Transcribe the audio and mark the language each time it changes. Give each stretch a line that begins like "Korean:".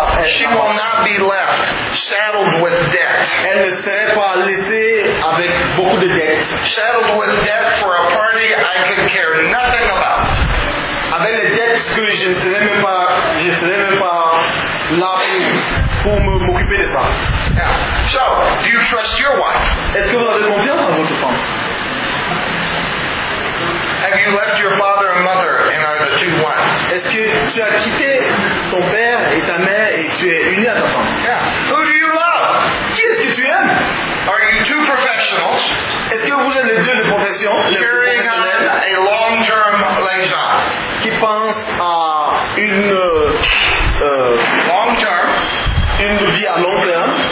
English: she will not be left saddled with debt.
French: Elle ne serait pas laissée avec beaucoup de dettes.
English: Saddled with debt for a party I could care nothing about.
French: Avec les dettes que je ne serais même pas là pour m'occuper de ça.
English: Yeah. So, do you trust your wife?
French: Est-ce que vous avez confiance en votre femme?
English: Have you left your father and mother and are the two one?
French: Est-ce que tu as quitté ton père et ta mère et tu es uni à ta femme?
English: Yeah. Who do you love?
French: Qui est-ce que tu aimes?
English: Are you two professionals?
French: Est-ce que vous êtes les deux de profession?
English: Carrying on a long-term liaison.
French: Qui pense à une long-term, une vie à long terme?